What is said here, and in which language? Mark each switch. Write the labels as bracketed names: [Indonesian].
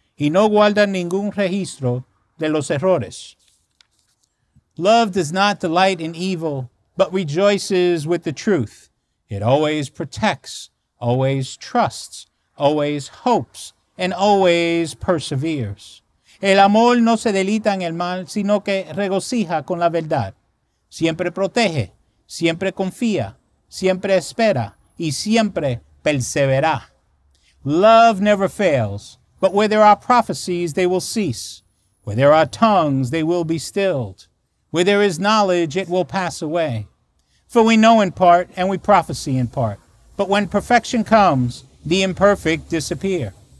[Spanish] Y no guarda ningún registro de los errores. [English] Love does not delight in evil, but rejoices with the truth. It always protects, always trusts, always hopes, and always perseveres. [Spanish] El amor no se deleita en el mal, sino que regocija con la verdad. Siempre protege, siempre confía, siempre espera, y siempre persevera. [English] Love never fails, but where there are prophecies, they will cease. Where there are tongues, they will be stilled. Where there is knowledge, it will pass away. For we know in part, and we prophesy in part. But when perfection comes, the imperfect disappear.